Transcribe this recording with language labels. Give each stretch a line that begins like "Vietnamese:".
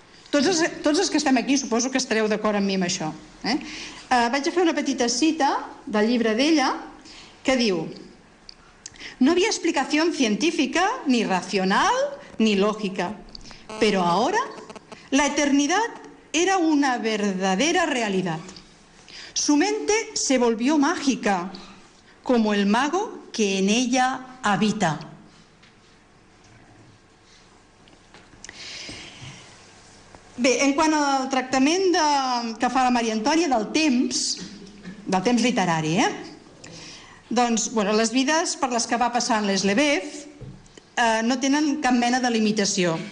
Catalan: Tots els que estem aquí suposo que estareu d'acord amb mi amb això, Vaig a fer una petita cita del llibre d'ella que diu:
Spanish: no había explicación científica, ni racional, ni lógica, pero ahora la eternidad era una verdadera realidad. Su mente se volvió mágica, como el mago que en ella habita.
Catalan: Bé, en quant al tractament que fa la Maria Antònia del temps literari, doncs, bueno, les vides per les que va passant l'Eslebef no tenen cap mena de limitació.